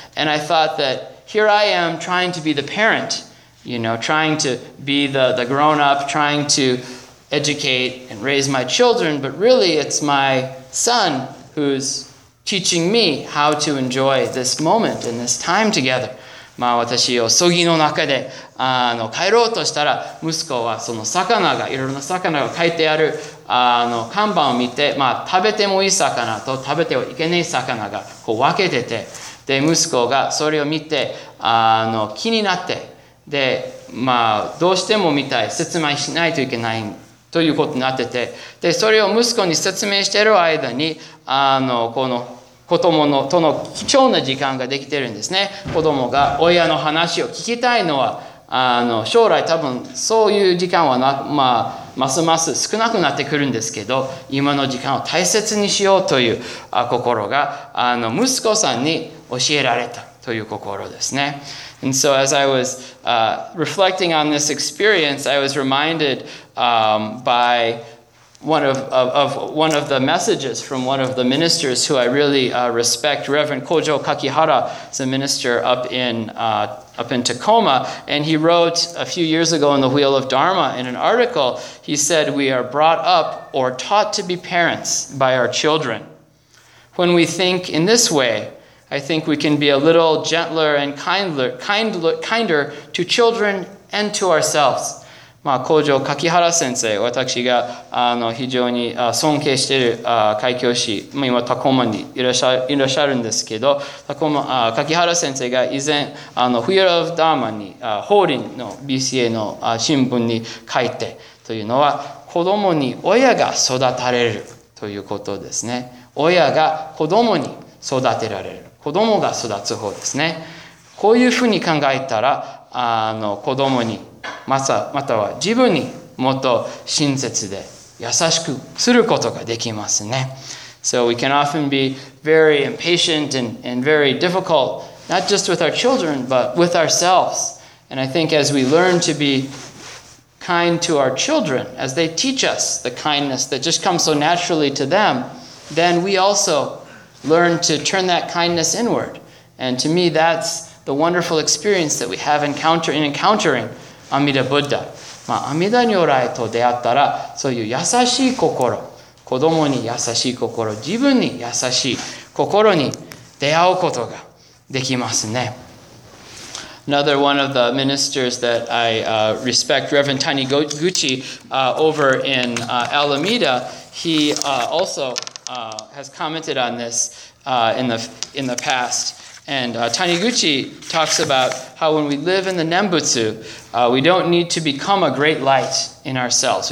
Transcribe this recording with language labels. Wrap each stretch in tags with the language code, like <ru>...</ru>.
<en>And I thought that here I am trying to be the parent, you know, trying to be the grown-up, trying to educate and raise my children, but really it's my son who's teaching me how to enjoy this moment and this time together.</en> <ja>まあ、私を急ぎの中で帰ろうとしたら、息子はその魚が、いろいろな魚が書いてある看板を見て、まあ、食べてもいい魚と食べてはいけない魚がこう分けてて、で息子がそれを見て気になって、で、まあ、どうしても見たい、説明しないといけないということになってて、でそれを息子に説明している間に、この子供のとの貴重な時間ができてるんですね。子供が親の話を聞きたいのは、将来多分そういう時間はな、まあ、ますます少なくなってくるんですけど、今の時間を大切にしようという心が息子さんに教えられたという心ですね。</ja> <en>And so as I was reflecting on this experience, I was reminded by one of the messages from one of the ministers who I really respect, Reverend Kojo Kakihara, is a minister up in Tacoma, and he wrote a few years ago in the Wheel of Dharma in an article, he said, "We are brought up or taught to be parents by our children. When we think in this way, I think we can be a little gentler and kinder to children and to ourselves."</en> <ja>まあ、工場柿原先生、私が、非常に、尊敬している、開教師、まあ、今、タコマにいらっしゃるんですけど、柿原先生が以前、Wheel of Dharma に、法輪の BCA の、新聞に書いて、というのは、子供に親が育たれるということですね。親が子供に育てられる。子供が育つ方ですね。こういうふうに考えたら、子供に、または自分にもっと親切で優しくすることができますね。</ja> <en>So we can often be very impatient and very difficult, not just with our children, but with ourselves. And I think as we learn to be kind to our children, as they teach us the kindness that just comes so naturally to them, then we also learn to turn that kindness inward. And to me, that's the wonderful experience that we have encountering阿弥陀仏。</en> <ja>まあ、阿弥陀如来と出会ったら、そういう優しい心、子供に優しい心、自分に優しい心に出会うことができますね。</ja> <en>Another one of the ministers that I respect, Reverend Taniguchi, over in Alameda, he also has commented on this in the past. And Taniguchi talks about how when we live in the Nembutsu, we don't need to become a great light in ourselves.</en>